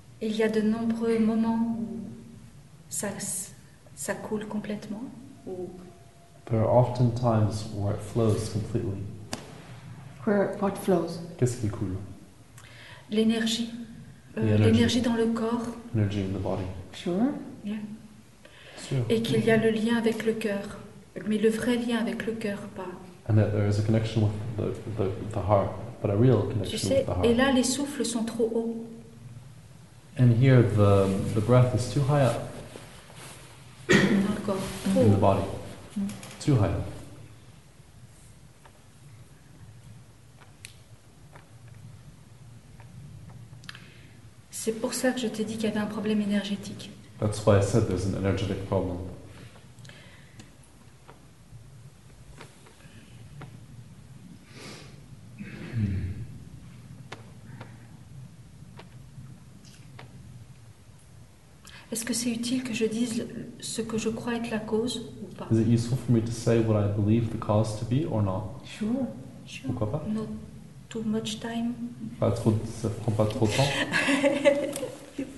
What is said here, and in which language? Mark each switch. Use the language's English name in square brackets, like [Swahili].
[French] Il y a de nombreux moments où ça coule complètement. Ou... [English] There are often times where it flows completely. Where what flows? [French] Qu'est-ce qui coule? L'énergie. L'énergie dans le corps. [English] Energy in the body. Sure. Yeah. Sure. [French] Et qu'il y a le lien avec le cœur, mais le vrai lien avec le cœur, pas. [English] And that there is a connection with the heart, but a real connection [French] tu sais, [English] with the heart. [French] Et là, les souffles sont trop hauts. [English] And here, the breath is too high up. In the body. Too high up. [French] C'est pour ça que je t'ai dit qu'il y avait un problème énergétique. [English] That's why I said there's an energetic problem. [French] Est-ce que c'est utile que je dise ce que je crois être la cause ou pas? [English] Is it useful for me to say what I believe the cause to be or not? Sure. [French] Pourquoi pas? [English] Not too much time. [French] Pas trop, ça prend pas trop de temps.